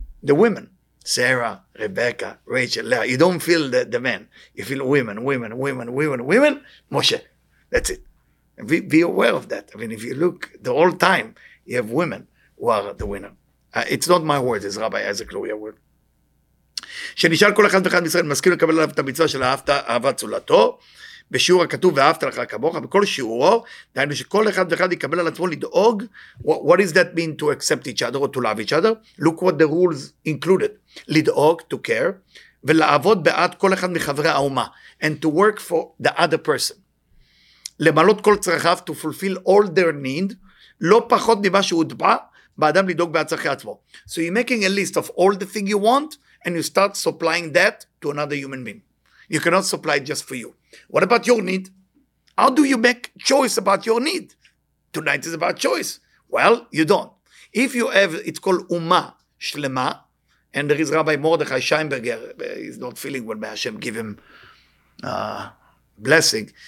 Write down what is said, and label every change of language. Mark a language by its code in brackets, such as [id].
[en] The women. Sarah, Rebecca, Rachel, Leah. You don't feel the men. You feel women, women, women, women, women. Moshe. That's it. Be aware of that. I mean, if you look the whole time, you have women who are the winner. It's not my word. It's Rabbi Isaac Luria's word. [he] שנשאל כל אחד ואחד מישראל מסכים לקבל עליו את המצווה של אהבת אהבת זולתו בשיעור הכתוב ואהבת לך כמוך בכל שיעורו דהיינו שכל אחד ואחד יקבל על עצמו לדאוג [en] what does that mean to accept each other or to love each other look what the rules included [he] לדאוג [en] to care [he] ולעבוד בעד כל אחד מחברי האומה [en] and to work for the other person [he] למלות כל צרכיו [en] to fulfill all their need [he] לא פחות ממה שהוטבע באדם לדאוג בעד צרכי עצמו [en] so you're making a list of all the thing you want and you start supplying that to another human being. You cannot supply it just for you. What about your need? How do you make choice about your need? Tonight is about choice. Well, you don't. If you have, it's called Uma Shlema, and there is Rabbi Mordechai Scheinberger, he's not feeling well, may Hashem give him blessing.